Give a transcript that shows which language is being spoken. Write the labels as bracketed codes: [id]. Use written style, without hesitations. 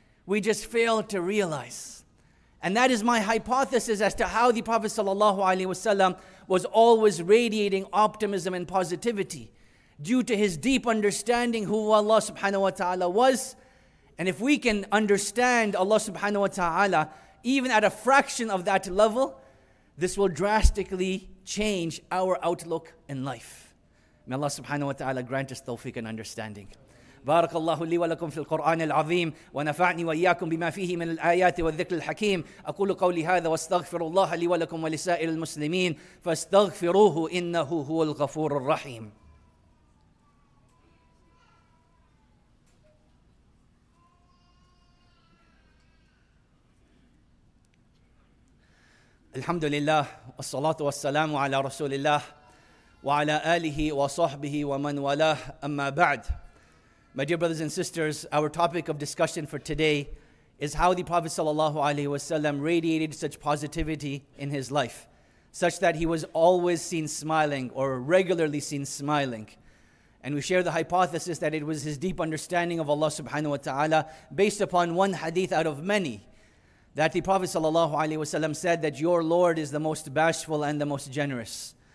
[en] We just fail to realize. And that is my hypothesis as to how the Prophet sallallahu alaihi wasallam was always radiating optimism and positivity, due to his deep understanding who Allah subhanahu wa ta'ala was. And if we can understand Allah subhanahu wa ta'ala even at a fraction of that level, this will drastically change our outlook in life. May Allah subhanahu wa ta'ala grant us tawfiq and understanding. [ar] بارك الله لي ولكم في القرآن العظيم ونفعني وإياكم بما فيه من الآيات والذكر الحكيم أقول قولي هذا واستغفر الله لي ولكم ولسائر المسلمين فاستغفروه إنه هو الغفور الرحيم. الحمد لله والصلاة والسلام على رسول الله وعلى آله وصحبه ومن والاه أما بعد. [en] My dear brothers and sisters, our topic of discussion for today is how the Prophet sallallahu alaihi wasallam radiated such positivity in his life, such that he was always seen smiling or regularly seen smiling. And we share the hypothesis that it was his deep understanding of Allah subhanahu wa ta'ala based upon one hadith out of many, that the Prophet sallallahu alaihi wasallam said that your Lord is the most bashful and the most generous.